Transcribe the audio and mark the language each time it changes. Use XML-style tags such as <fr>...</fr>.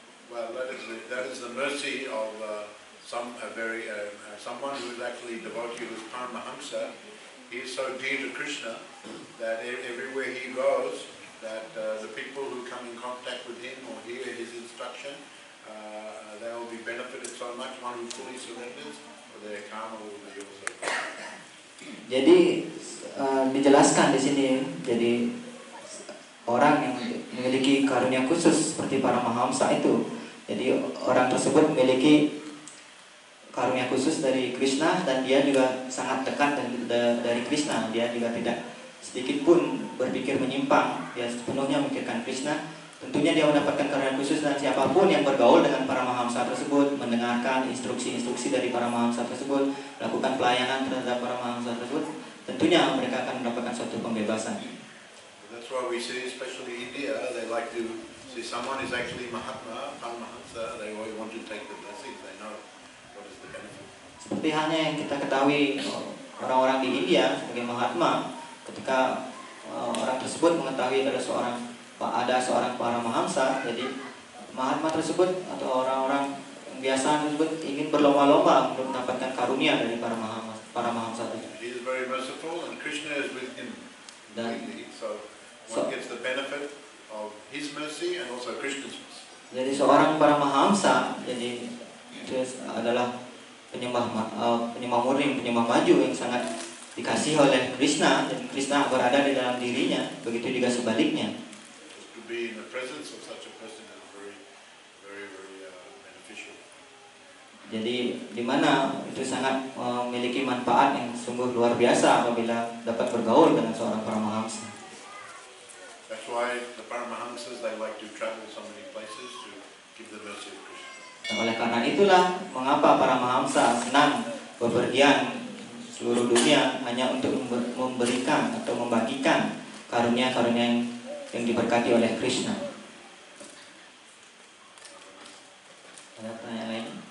<en>Well, that is the mercy of someone who is actually a devotee who is Paramahamsa. He is so dear to Krishna that everywhere he goes, that the people who come in contact with him or hear his instruction, they will be benefited so much. One who fully surrenders, their karma will be also.</en> <id>Jadi dijelaskan di sini, jadi orang yang memiliki karunia khusus seperti Paramahamsa itu, jadi orang tersebut memiliki karunia khusus dari Krishna dan dia juga sangat dekat dari Krishna. Dia juga tidak sedikit pun berpikir menyimpang, dia sepenuhnya memikirkan Krishna. Tentunya dia mendapatkan karunia khusus dan siapapun yang bergaul dengan Paramahamsa tersebut, mendengarkan instruksi-instruksi dari Paramahamsa tersebut, melakukan pelayanan terhadap Paramahamsa tersebut, tentunya mereka akan mendapatkan suatu pembebasan.</id> <en>That's why we see, especially in India, they like to see someone is actually Mahatma, Paramahamsa, they always want to take the blessings, they know what is the benefit.</en> <id>Seperti halnya yang kita ketahui, orang-orang di India sebagai Mahatma, ketika orang tersebut mengetahui ada seorang Paramahamsa, jadi Mahatma tersebut atau orang-orang biasa tersebut ingin berlomba-lomba untuk mendapatkan karunia dari Paramahamsa tersebut.</id> <en>He is very merciful and Krishna is with him.</en> <id>Dan,</id> <en>so one gets the benefit of his mercy and also Krishna's mercy.</en> <id>Jadi seorang Paramahamsa, jadi itu adalah penyembah murni, penyembah maju yang sangat dikasihi oleh Krishna dan Krishna berada di dalam dirinya, begitu juga sebaliknya.</id> <en>Be in the presence of such a person is very, very, very beneficial.</en> <id>Jadi di mana itu sangat memiliki manfaat yang sungguh luar biasa apabila dapat bergaul dengan seorang Paramahamsa.</id> <en>That's why the Paramahamsas, they like to travel so many places to give the mercy of Krishna.</en> <id>Dan oleh karena itulah mengapa Paramahamsa senang berpergian seluruh dunia hanya untuk memberikan atau membagikan karunia-karunia yang diberkati oleh Krishna. Ada pertanyaan lain?</id>